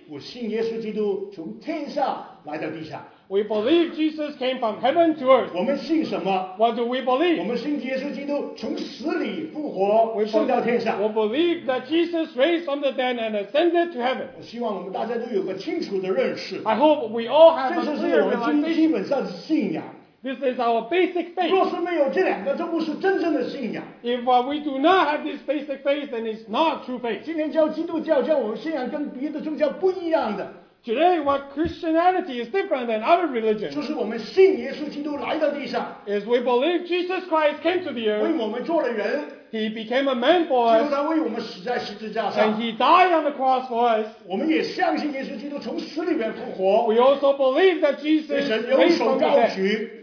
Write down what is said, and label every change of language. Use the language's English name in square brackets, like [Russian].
[Chinese] 我信耶稣基督从天上来到地上。 [English] We believe Jesus came from heaven to earth. [Chinese] 我们信什么？ [English] What do we believe? [Chinese] 我们信耶稣基督从死里复活，升到天上。 [English] We believe that Jesus raised from the dead and ascended to heaven. [Chinese] 我希望我们大家都有个清楚的认识。 [English] I hope we all have a clear realization. [Chinese] 这就是我们基本上的信仰。 [English] This is our basic faith. [Chinese] 若是没有这两个，这不是真正的信仰。 [English] If we do not have this basic faith, then it's not true faith. [Chinese] 今天叫基督教，叫我们信仰跟别的宗教不一样的。 [English] Today, what Christianity is different than other religions? [Chinese] 就是我们信耶稣基督来到地上。 [English] Is we believe Jesus Christ came to the earth. [Chinese] 为我们做了人。 [English] He became a man for us. [Chinese] 最后他为我们死在十字架上。 [English] And he died on the cross for us. [Chinese] 我们也相信耶稣基督从死里面复活。 [English] We also believe that Jesus raised from the dead.